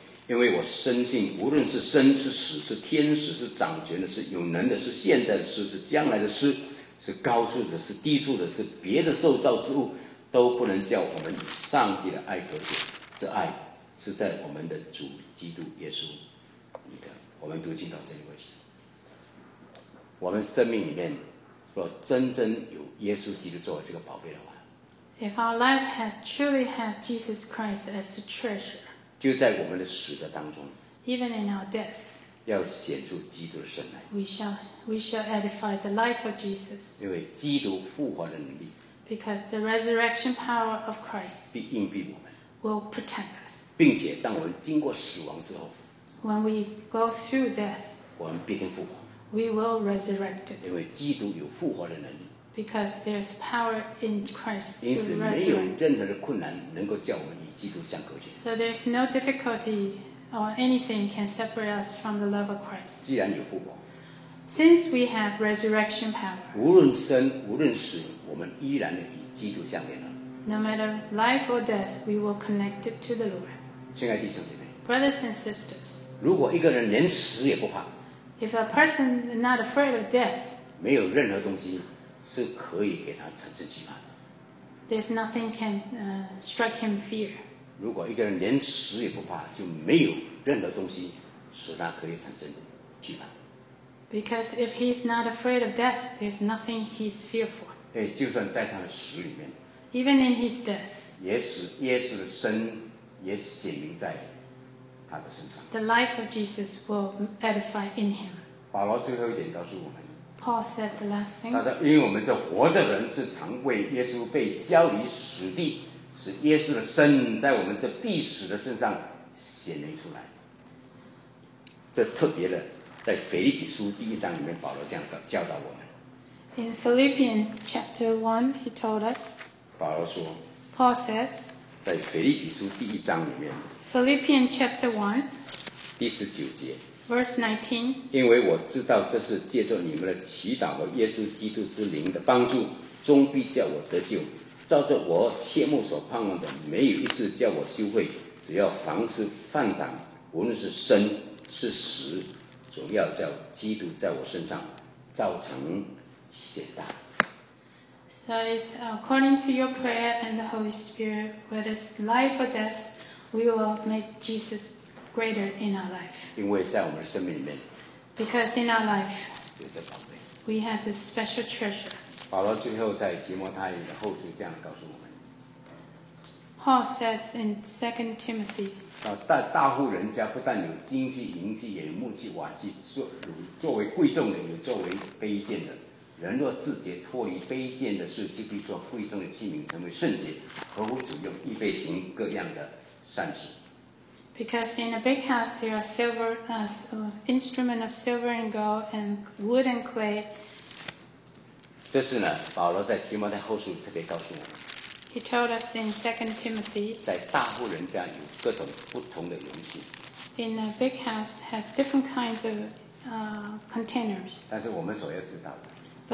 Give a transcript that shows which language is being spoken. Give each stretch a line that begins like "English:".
Chinese: 因为我深信，无论是生是死，是天使是掌权的，是有能的，是现在的事，是将来的事，是高处的，是低处的，是别的受造之物，都不能叫我们与上帝的爱隔绝。这爱是在我们的主基督耶稣里的。我们读经到这里为止。我们生命里面若真正有耶稣基督作为这个宝贝的话，
English: If our life has truly had Jesus Christ as the treasure,
Chinese: 就在我们的死的当中，
English: Even in our death,
Chinese: 要显出基督的圣来。
English: We shall edify the life of Jesus.
Chinese: 因为基督复活的能力，
English: Because the resurrection power of Christ
Chinese: 必荫蔽我们，
English: will protect us.
Chinese: 并且当我们经过死亡之后，
English: When we go through death,
Chinese: 我们必定复活，
English: We will resurrect it.
Chinese: 因为基督有复活的能力，
English: Because there is power in Christ to resurrect.
Chinese: 因此没有任何的困难能够叫我们基督相隔绝。
English: So there's no difficulty or anything can separate us from the love of Christ.
Chinese: 既然有复活，
English: Since we have resurrection power,
Chinese: 无论生无论死，我们依然的与基督相连了。
English: No matter life or death, we will connect it to the Lord.
Chinese: 亲爱弟兄姐妹，
English: Brothers and sisters,
Chinese: 如果一个人连死也不怕，
English: If a person is not afraid of death,
Chinese: 没有任何东西是可以给他产生惧怕。
English: There's nothing can strike him fear.
Chinese: 如果一个人连死也不怕，就没有任何东西使他可以产生惧怕。
English: Because if he's not afraid of death, there's nothing he's fearful.
Chinese: 哎，就算在他的死里面，
English: even in his death,
Chinese: 也使耶稣的生也显明在他的身上。
English: The life of Jesus will edify in him.
Chinese: 保罗最后一点告诉我们。
English: Paul said the last thing.
Chinese: 他说，因为我们这活着的人是常为耶稣被交于死地，使耶稣的生在我们这必死的身上显明出来。这特别的，在腓立比书第一章里面，保罗这样教导我们。
English: In Philippians chapter 1, he told us.
Chinese: 保罗说。
English: Paul says.
Chinese: 在腓立比书第一章里面。
English: Philippians chapter 1.
Chinese: 第十九节。
English: Verse 19.
Chinese: 因为我知道这是借着你们的祈祷和耶稣基督之灵的帮助，终必叫我得救。照着我切慕所盼望的，没有一事叫我羞愧，只要凡事放胆，无论是生是死，总要叫基督在我身上造成显大。
English: So it's according to your prayer and the Holy Spirit, whether it's life or death, we will make Jesus greater in our life.
Chinese: 因为在我们的生命里面，
English: Because in our life,
Chinese: 有这宝贝，
English: we have this special treasure.
Chinese: 保罗最后在提摩太的后书这样告诉我们。
English: Paul says in 2 Timothy,
Chinese: 大户人家不但有金器银器，也有木器瓦器，作为贵重的，有作为卑贱的。人若自洁，脱离卑贱的事，就必做贵重的器皿，成为圣洁，合乎主用，预备行各样的善事。
English: Because in a big house there are silver, instrument of silver and gold and wood and clay.
Chinese: 这是呢，保罗在提摩太后书特别告诉我们。
English: He told us in 2 Timothy.
Chinese: 在大户人家有各种不同的容器。
English: In a big house has different kinds of containers.
Chinese: 但是我们所要知道的。